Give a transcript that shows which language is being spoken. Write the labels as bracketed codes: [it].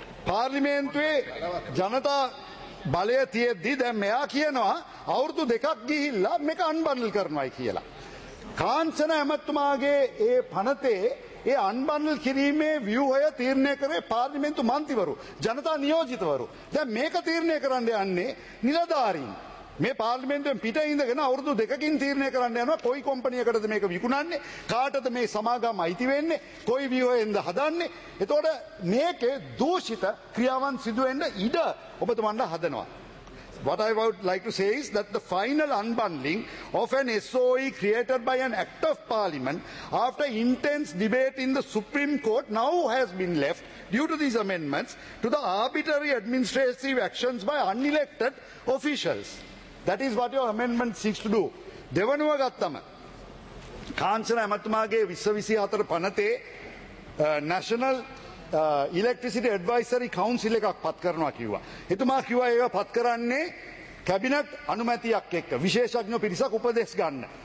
[si] පාර්ලිමේන්තුවේ ජනතා බලය තියෙද්දී දැන් මෙයා කියනවා අවුරුදු දෙකක් ගිහිල්ලා මේක අන්බන්ඩල් කරනවායි කියලා. කාංචන ඇමතුමාගේ ඒ පනතේ ඒ අන්බන්ඩල් කිරීමේ ව්‍යුහය තීරණය කරේ පාර්ලිමේන්තු මන්ත්‍රීවරු, ජනතා නියෝජිතවරු. දැන් මේක තීරණය කරන්න යන්නේ නිලධාරීන්. මේ පාර්ලිමේන්තුවෙන් පිට ඉඳගෙන අවුරුදු දෙකකින් තීරණය කරන්න යනවා කොයි කම්පැනියකටද මේක විකුණන්නේ කාටද මේ සමාගම් අයිති වෙන්නේ කොයි විවයෙන්ද හදන්නේ එතකොට මේකේ දූෂිත ක්‍රියාවන් සිදු වෙන්න ඉඩ ඔබතුමන්ට හදනවා [en] What I would like to say is that the final unbundling of an SOE created by an act of parliament after intense debate in the Supreme Court now has been left due to these amendments to the arbitrary administrative actions by unelected officials. That is what your amendment seeks to do. [si] Devanuwa gattama Kanchana Amathumage 2024 panate national electricity ඇඩ්වයිසරි council එකක් පත් කරනවා කිව්වා. එතුමා කිව්වා ඒක පත් කරන්නේ cabinet අනුමැතියක් එක්ක විශේෂඥ පිරිසක් උපදෙස් ගන්න.